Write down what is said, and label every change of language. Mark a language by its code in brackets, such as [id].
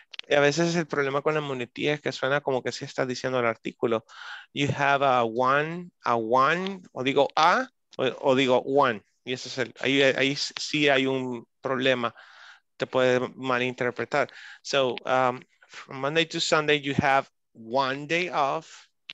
[es] A veces el problema con la muletilla es que suena como que se está diciendo el artículo. [en] You have a one, [es] o digo a, o digo [en] one. [es] Y ese es el, ahí sí hay un problema. Te puede malinterpretar. [en] So, from Monday to Sunday, you have one day off.